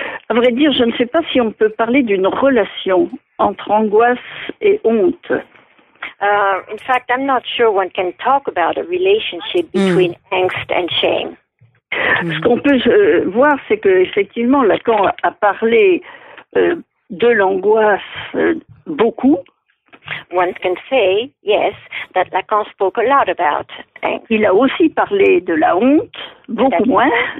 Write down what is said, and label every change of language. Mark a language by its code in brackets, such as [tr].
[fr] À vrai dire, je ne sais pas si on peut parler d'une relation entre angoisse et honte. [en] In fact, I'm not sure one can talk about a relationship between angst and shame. [fr] Ce qu'on peut voir, c'est que effectivement, Lacan a parlé de l'angoisse beaucoup. [en] One can say yes that Lacan spoke a lot about angst. [fr] Il a aussi parlé de la honte beaucoup moins.